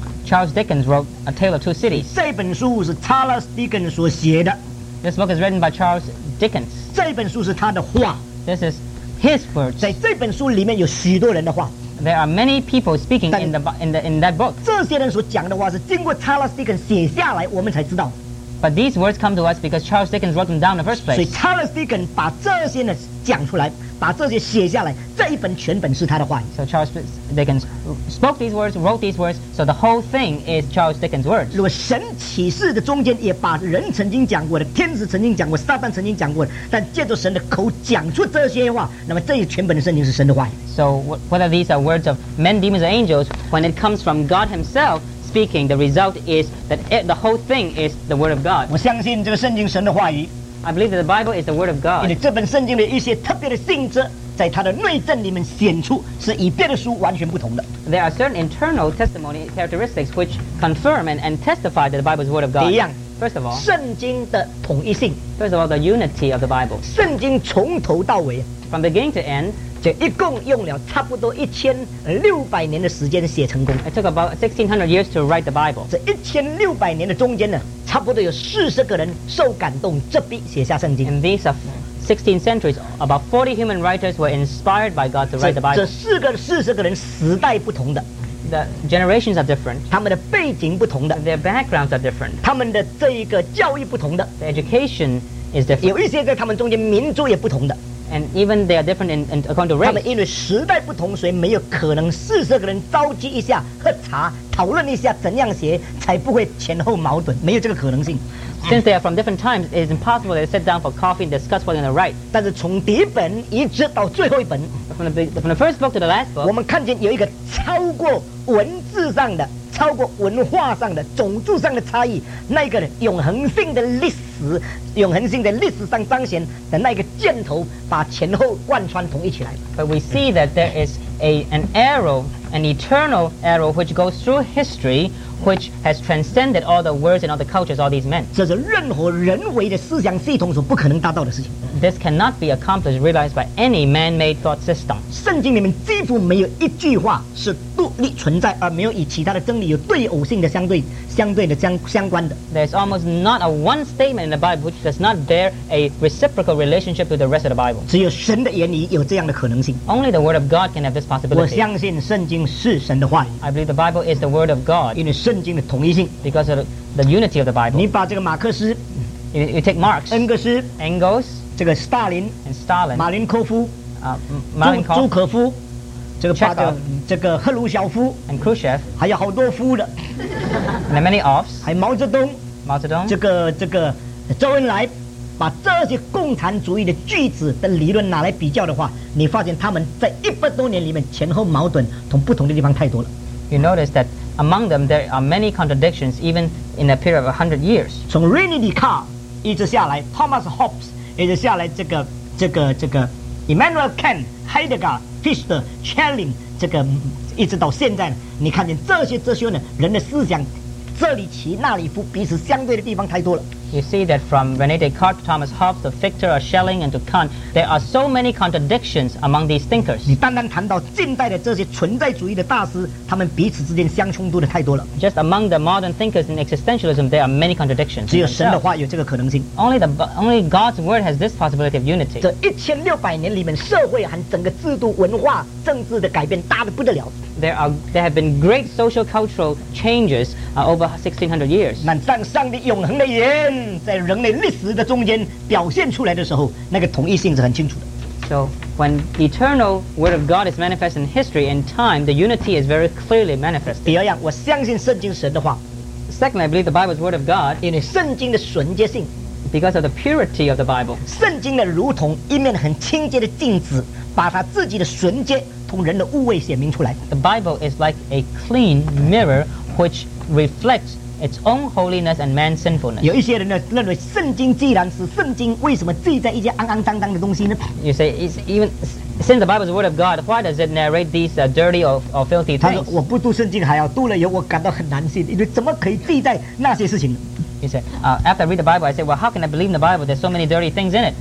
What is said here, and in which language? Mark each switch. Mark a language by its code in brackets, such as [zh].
[en] Charles Dickens wrote A Tale of Two Cities. [zh] 这本书是 Charles Dickens 所写的。 [en] This book is written by Charles Dickens. [zh] 这本书是他的话。 [en] This is his words. [zh] 在这本书里面有许多人的话。 [en] There are many people speaking in that book. [zh] 这些人所讲的话是经过 Charles Dickens 写下来，我们才知道。 [en] But these words come to us because Charles Dickens wrote them down in the first place. [zh] 所以 Charles Dickens 把这些呢讲出来，把这些写下来，这一本全本是他的话语。 [en] So Charles Dickens spoke these words, wrote these words. So the whole thing is Charles Dickens' words. [zh] 如果神启示的中间也把人曾经讲过的，天使曾经讲过，撒旦曾经讲过的，但借着神的口讲出这些话，那么这些全本的圣经是神的话语。 [en] So whether these are words of men, demons, or angels, when it comes from God Himself. Speaking, the result is that the whole thing is the word of God. [zh] 我相信这个圣经神的话语。 [en] I believe that the Bible is the word of God. [zh] 因为这本圣经的一些特别的性质，在它的内证里面显出是与别的书完全不同的。 [en] There are certain internal testimony characteristics which confirm and testify that the Bible is the word of God. [zh] 第一样。 [en] First of all, [zh] 圣经的统一性。 [en] First of all, the unity of the Bible. [zh] 圣经从头到尾。 [en] From beginning to end. [zh] 就一共用了差不多1600年的时间写成功。 [en] It took about 1600 years to write the Bible. [zh] 这1600年的中间呢，差不多有40个人受感动，执笔写下圣经。 [en] In these 16 centuries, about 40 human writers were inspired by God to write the Bible. [zh] 这四十个人时代不同的。 [en] The generations are different. [zh] 他们的背景不同的。 [en] Their backgrounds are different. [zh] 他们的这一个教育不同的。 [en] The education is different. [zh] 有一些在他们中间民族也不同的。 [en] And even they are different in according to race. [zh] 他们因为时代不同，所以没有可能40个人召集一下喝茶讨论一下怎样写，才不会前后矛盾，没有这个可能性。 [en] Since they are from different times, it is impossible they sit down for coffee and discuss what they're going to write. [zh] 但是从第一本一直到最后一本 [en] from the first book to the last book, [zh] 我们看见有一个超过文字上的、超过文化上的、种族上的差异，那个永恒性的历史。永恒性在历史上彰显的那个箭头，把前后贯穿统一起来。 [en] But we see that there is an arrow, an eternal arrow, which goes through history, which has transcended all the words and all the cultures, all these men. [zh] 这是任何人为的思想系统所不可能达到的事情。 [en] This cannot be accomplished, realized by any man-made thought system. [zh] 圣经里面几乎没有一句话是独立存在，而没有与其他的真理有对偶性的相关的。 [en] There's almost not a one statement in the Bible. Does not bear a reciprocal relationship to the rest of the Bible. [zh] 只有神的言语有这样的可能性。 [en] Only the word of God can have this possibility. [zh] 我相信圣经是神的话语。 [en] I believe the Bible is the word of God. [zh] 因为圣经的统一性。 [en] Because of the unity of the Bible. [zh] 你把这个马克思 [en] you take Marx, Engels, [zh] 这个斯大林 [en] and Stalin, [zh] 马林科夫 [en] Malenkov, [zh] 朱可夫，这个把这个赫鲁晓夫 [en] and Khrushchev, [zh] 还有好多夫的 [en] and many offs, [zh] 还有毛泽东，这个。周恩来把这些共产主义的句子的理论拿来比较的话，你发现他们在100多年里面前后矛盾从不同的地方太多了。 [en] You notice that among them there are many contradictions even in a period of 100 years. [zh] 从 René Descartes 一直下来 ，Thomas Hobbes 一直下来，这个 Immanuel Kant、Heidegger、Fichte、Schelling 这个一直到现在，你看见这些哲学呢，人的思想这里齐那里伏，彼此相对的地方太多了。 [en] you see that from René Descartes to Thomas Hobbes to Fichte or Schelling and to Kant, there are so many contradictions among these thinkers. [zh] 你单单谈到近代的这些存在主义的大师，他们彼此之间相冲突的太多了。 [en] Just among the modern thinkers in existentialism, there are many contradictions. [zh] 只有神的话有这个可能性。 [en] Only God's word has this possibility of unity. [zh] 这一千六百年里面，社会和整个制度、文化、政治的改变大得不得了。 [en] There have been great social cultural changes over 1600 years. [zh] 那当上帝永恒的言在人类历史的中间表现出来的时候，那个统一性是很清楚的。 [en] So when the eternal word of God is manifest in history and time, the unity is very clearly manifested. [zh] 第二样，我相信圣经神的话。 [en] Secondly, I believe the Bible's word of God. [zh] 因为圣经的纯洁性。 [en] Because of the purity of the Bible. [zh] 圣经呢，如同一面很清洁的镜子，把它自己的纯洁。 [en] The Bible is like a clean mirror which reflects its own holiness and man's sinfulness. [zh] 有一些人呢认为圣经既然是圣经，为什么记在一些肮肮脏脏的东西呢？ [en] You say, since the Bible is the word of God, why does it narrate these dirty or filthy things? [zh] 他说我不读圣经还好，读了以后我感到很难信，因为怎么可以记在那些事情呢？ [en] He said, after I read the Bible, I said, well, how can I believe in the Bible? There's so many dirty things in it.